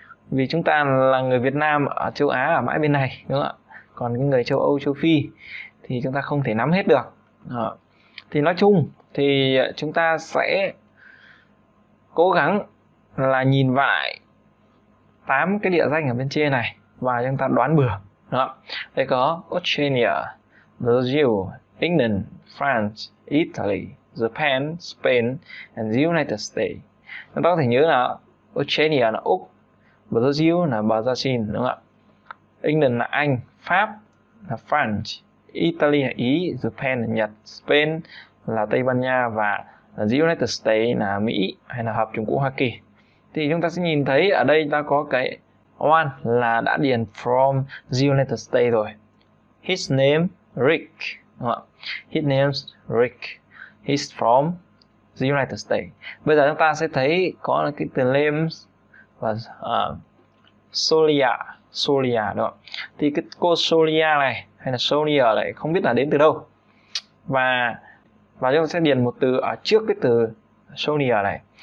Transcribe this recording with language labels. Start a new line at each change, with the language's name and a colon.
Vietnamese: Vì chúng ta là người Việt Nam ở châu Á ở mãi bên này, đúng không ạ? Còn những người châu Âu, châu Phi thì chúng ta không thể nắm hết được. Đó. Thì nói chung thì chúng ta sẽ cố gắng là nhìn lại 8 cái địa danh ở bên trên này và chúng ta đoán bừa. Đó.
English: Đây có Australia, Brazil, England, France, Italy, Japan, Spain and the United States.
Vietnamese: Chúng ta có thể nhớ là Australia là Úc, Brazil là Brazil, đúng không ạ? England là Anh, Pháp là France, Italy là Ý, Japan là Nhật, Spain là Tây Ban Nha và the United States là Mỹ hay là Hợp Chủng Quốc Hoa Kỳ. Thì chúng ta sẽ nhìn thấy ở đây ta có cái one là đã điền from the United States rồi.
English: His name Rick,
Vietnamese: đúng không ạ?
English: His name's Rick. He's from the United States.
Vietnamese: Bây giờ chúng ta sẽ thấy có cái từ names và Solia, Solia đó. Thì cái cô Solia này hay là Solia này không biết là đến từ đâu. Và chúng ta sẽ điền một từ ở trước cái từ Solia này.